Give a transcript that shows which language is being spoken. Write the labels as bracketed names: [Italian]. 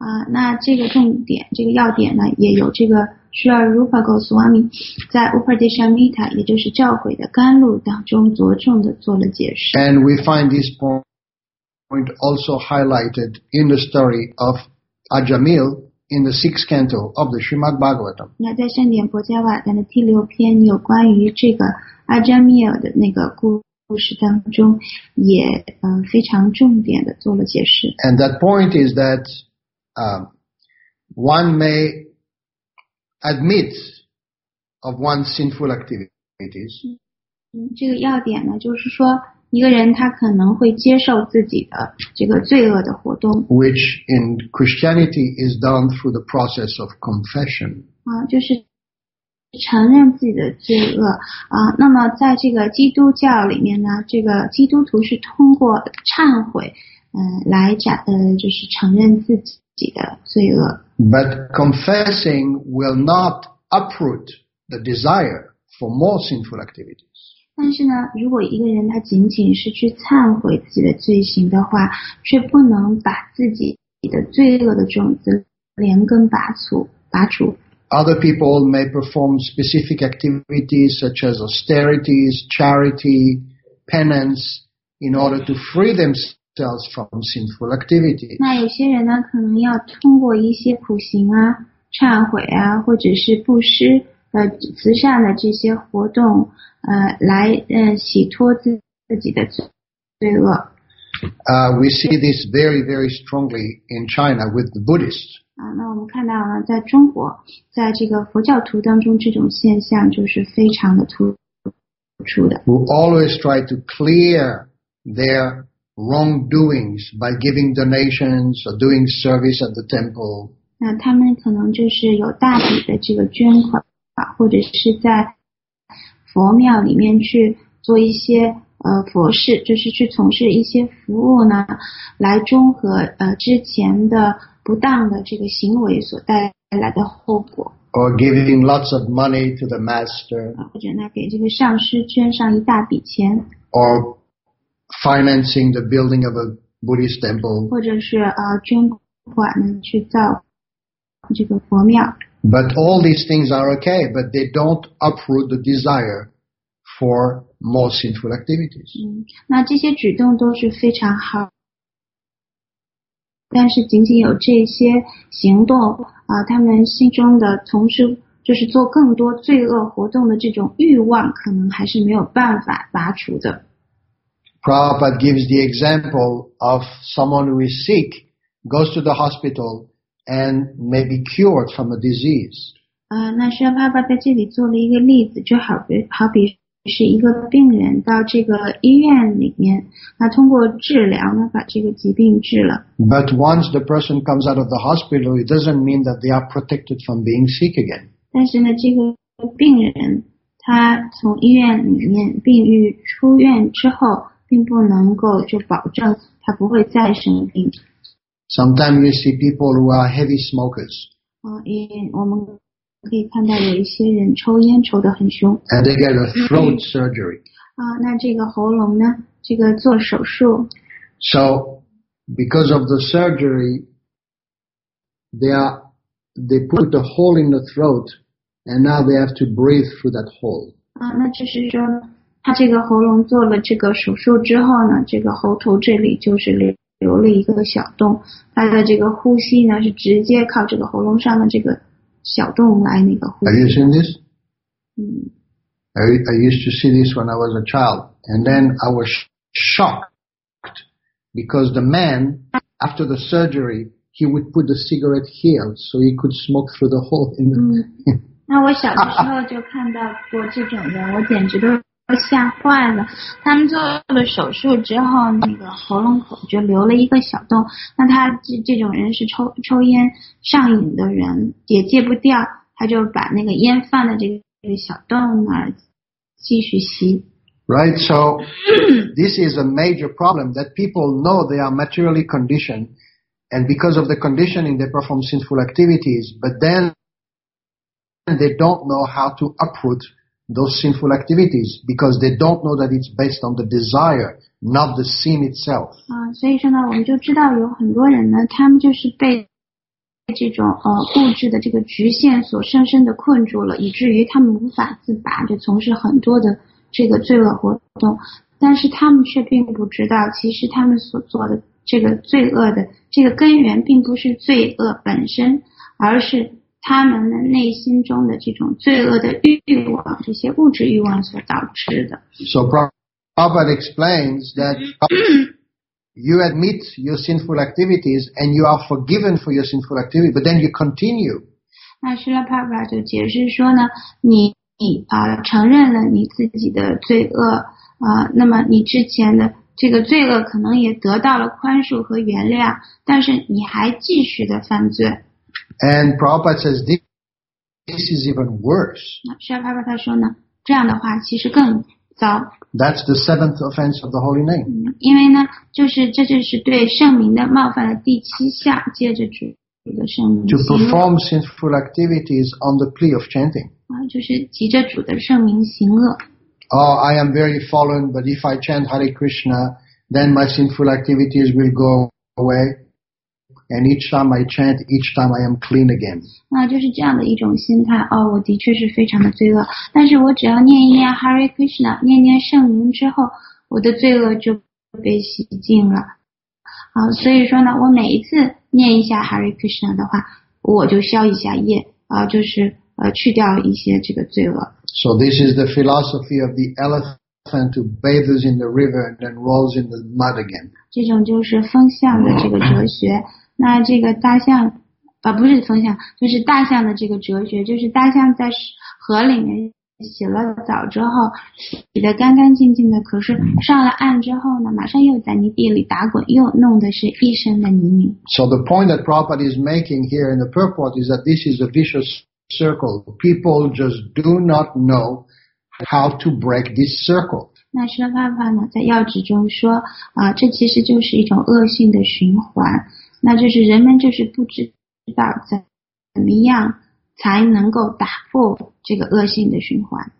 [Chinese] 那这个重点，这个要点呢，也有这个 Srila Rupa Goswami 在 Upadeshamrita, 也就是教诲的甘露当中着重的做了解释。 [English] And we find this point also highlighted in the story of Ajamil in the sixth canto of the Srimad Bhagavatam. [Chinese] 那在圣典薄伽瓦的第六篇有关于这个 Ajamil 的那个故事当中也非常重点的做了解释。 [English] And that point is that one may admit of one's sinful activities. [Chinese] 这个要点呢，就是说一个人他可能会接受自己的这个罪恶的活动 [English] ，which in Christianity is done through the process of confession. [Chinese] 啊，就是承认自己的罪恶啊。那么在这个基督教里面呢，这个基督徒是通过忏悔，来讲，就是承认自己的罪恶。 [English] But confessing will not uproot the desire for more sinful activity. [Chinese] 但是呢，如果一个人他仅仅是去忏悔自己的罪行的话，却不能把自己的罪恶的种子连根拔除。 [English] Other people may perform specific activities such as austerities, charity, penance, in order to free themselves from sinful activities. [Chinese] 那有些人呢，可能要通过一些苦行啊、忏悔啊，或者是布施。慈善的这些活动，来洗脱自己的罪恶。 [English] We see this very, very strongly in China with the Buddhists. [Chinese] 那我们看到了在中国，在这个佛教徒当中，这种现象就是非常的突出的。 [English] Who always try to clear their wrongdoings by giving donations or doing service at the temple. [Chinese] 那他们可能就是有大笔的这个捐款。或者是在佛庙里面去做一些佛事，就是去从事一些服务呢，来中和之前的不当的这个行为所带来的后果。 [English] Or giving lots of money to the master. [Chinese] 或者呢，给这个上师捐上一大笔钱。 [English] Or financing the building of a Buddhist temple. [Chinese] 或者是捐款呢去造这个佛庙。 [English] But all these things are okay, but they don't uproot the desire for more sinful activities. [Chinese] 那这些举动都是非常好，但是仅仅有这些行动啊，他们心中的从事就是做更多罪恶活动的这种欲望，可能还是没有办法拔除的。 [English] Prabhupada gives the example of someone who is sick, goes to the hospital. And may be cured from a disease. [Chinese] 那释迦牟尼佛在这里做了一个例子，就好比是一个病人到这个医院里面，那通过治疗呢，把这个疾病治了。 [English] But once the person comes out of the hospital, it doesn't mean that they are protected from being sick again. [Chinese] 但是呢，这个病人他从医院里面病愈出院之后，并不能够就保证他不会再生病。 [English] Sometimes you see people who are heavy smokers. [Chinese] 我们可以看到有一些人抽烟抽得很凶。 [English] And they get a throat surgery. [Chinese] 那这个喉咙呢？这个做手术。 [English] So, because of the surgery, they put a hole in the throat, and now they have to breathe through that hole. [Chinese] 那就是说，他这个喉咙做了这个手术之后呢，这个喉头这里就是留了一个小洞，他的这个呼吸呢是直接靠这个喉咙上的这个小洞来那个呼吸。 [English] Are you seeing this? I used to see this when I was a child, and then I was shocked because the man after the surgery he would put the cigarette here so he could smoke through the hole in the. [Chinese] 那我小的时候就看到过这种人，我简直都。吓坏了！他们做了手术之后，那个喉咙口就留了一个小洞。那他这种人是抽烟上瘾的人，也戒不掉，他就把那个烟放在这个小洞那儿继续吸。 [English] Right, so this is a major problem that people know they are materially conditioned, and because of the conditioning, they perform sinful activities. But then they don't know how to uproot. Those sinful activities, because they don't know that it's based on the desire, not the sin itself. [Chinese] 所以说呢，我们就知道有很多人呢，他们就是被这种物质的这个局限所深深的困住了，以至于他们无法自拔，就从事很多的这个罪恶活动。但是他们却并不知道，其实他们所做的这个罪恶的这个根源，并不是罪恶本身，而是。他们的内心中的这种罪恶的欲望，这些物质欲望所导致的。 [English] So Prabhupada explains that you admit your sinful activities and you are forgiven for your sinful activity, but then you continue. [Chinese] 那释迦牟尼佛就解释说呢，你承认了你自己的罪恶，那么你之前的这个罪恶可能也得到了宽恕和原谅，但是你还继续的犯罪。 [English] And Prabhupada says this is even worse. [Chinese] 那释迦牟尼佛他说呢，这样的话其实更糟。 [English] That's the seventh offense of the holy name. [Chinese] 因为呢，就是这就是对圣名的冒犯的第七项，借着主的圣名。 [English] To perform sinful activities on the plea of chanting. [Chinese] 就是藉着主的圣名行恶。 [English] Oh, I am very fallen, but if I chant Hare Krishna, then my sinful activities will go away. And each time I chant, each time I am clean again. [Chinese] 就是这样的一种心态。哦，我的确是非常的罪恶，但是我只要念一念 Hare Krishna, 念念圣名之后，我的罪恶就被洗净了。所以说呢，我每一次念一下 Hare Krishna 的话，我就消一下业，就是去掉一些这个罪恶。 [English] So this is the philosophy of the elephant who bathes in the river and then rolls in the mud again. [Chinese] 这种就是风象的这个哲学。那这个大象，不是风象，就是大象的这个哲学，就是大象在河里面洗了澡之后，洗得干干净净的，可是上了岸之后呢，马上又在泥地里打滚，又弄的是一身的泥泞。 [English] So the point that Prabhupada is making here in the purport is that this is a vicious circle. People just do not know how to break this circle. [Chinese] 那释迦牟尼佛呢，在要旨中说，这其实就是一种恶性的循环。那就是人们就是不知道怎么样才能够打破这个恶性的循环。